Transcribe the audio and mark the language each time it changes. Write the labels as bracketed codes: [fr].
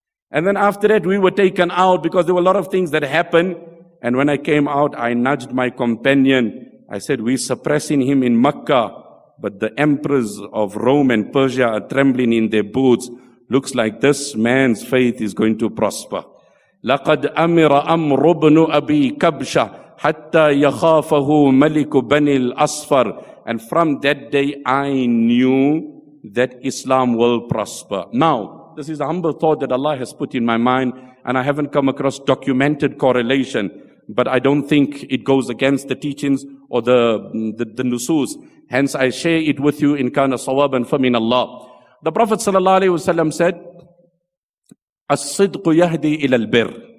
[en] And then after that, we were taken out because there were a lot of things that happened. And when I came out, I nudged my companion. I said, we're suppressing him in Makkah, but the emperors of Rome and Persia are trembling in their boots. Looks like this man's faith is going to prosper. [ar] لَقَدْ أَمِرَ أَمْرُ بْنُ أَبِي كَبْشَةً حَتَّى يَخَافَهُ مَلِكُ بَنِي الْأَصْفَرِ. [en] And from that day, I knew that Islam will prosper. Now, this is a humble thought that Allah has put in my mind, and I haven't come across documented correlation, but I don't think it goes against the teachings or the nusus. Hence, I share it with you [ar] in kana sawaban fa min Allah. [en] The Prophet sallallahu alaihi wasallam said, [ar] "As-sidq yahdi ila al-birr.